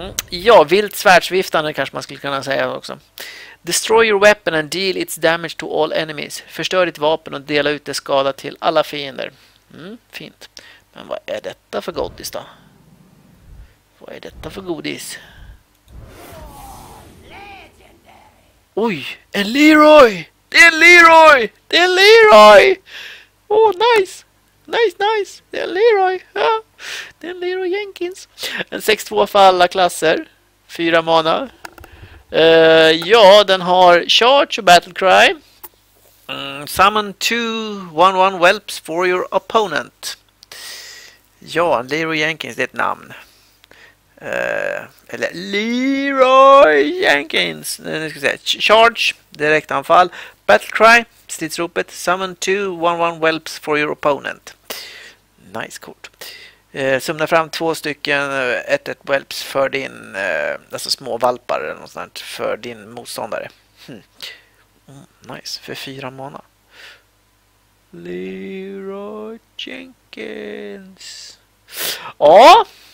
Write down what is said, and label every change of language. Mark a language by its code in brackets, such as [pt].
[sv] Ja, vilt svärdsviftande kanske man skulle kunna säga också. [en] Destroy your weapon and deal its damage to all enemies. [sv] Förstör ditt vapen och dela ut dess skada till alla fiender. Fint. Men vad är detta för godis då? Vad är detta för godis? Oj, en Leroy! Det är en Leroy! Det är en Leroy! [en] Oh, nice! Nice! [sv] Det är en Leroy! Ja. Det är en Leroy Jenkins. En 6-2 för alla klasser. 4 mana. Ja, den har Charge och Battle Cry. [en] Summon two 1-1 whelps for your opponent. [sv] Ja, Leroy Jenkins, det är ett namn. Eller Leroy Jenkins. Nu ska jag säga Charge, direktanfall. Battle Cry, stridsropet. [en] Summon two 1-1 whelps for your opponent. [sv] Nice kort. Summa fram två stycken 1-1 whelps för din, alltså små valpar eller något sånt för din motståndare. Nice, för 4 mana. Leroy Jenkins. Ja!